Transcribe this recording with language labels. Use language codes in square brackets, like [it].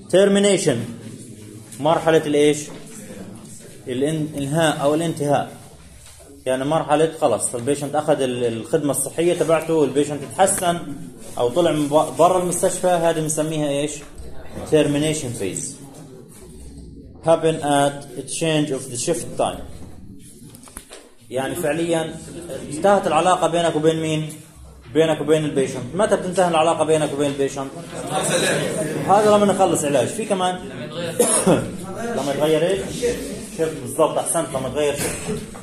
[ar] تيرمينيشن مرحله الايش؟ الانهاء او الانتهاء. يعني مرحله خلص البيشنت اخذ الخدمه الصحيه تبعته والبيشنت تحسن او طلع من برا المستشفى، هذه بنسميها ايش؟ termination phase. [en] happen at a change of the shift time. [ar] يعني فعليا انتهت العلاقه بينك وبين مين؟ بينك وبين البيشنت. متى بتنتهي العلاقه بينك وبين البيشنت؟ هذا لما نخلص علاج. في كمان لما يتغير ايش؟ شفت بالضبط، احسنت، لما يتغير شفت